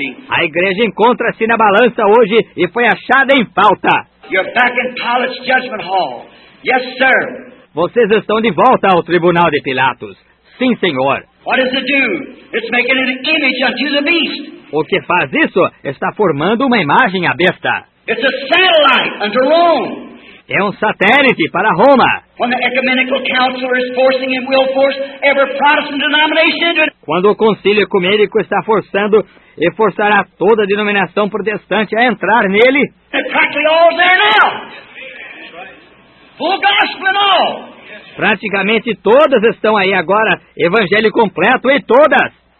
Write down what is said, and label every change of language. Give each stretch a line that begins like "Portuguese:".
Portuguese: A igreja encontra-se na balança hoje e foi achada em falta.
English: You're back in Pilate's judgment hall. Yes, sir.
Portuguese: Vocês estão de volta ao tribunal de Pilatos. Sim, senhor.
English: What does it do? It's making an image unto the beast.
Portuguese: O que faz isso está formando uma imagem à besta.
English: It's a satellite unto Rome.
Portuguese: É um satélite para Roma.
English: When the ecumenical council is forcing and will force every Protestant denomination into it.
Portuguese: Quando o concílio ecumênico está forçando e forçará toda a denominação protestante a entrar nele.
English: It's practically all there now. Full gospel and all.
Portuguese: Praticamente todas estão aí agora, evangelho completo e todas.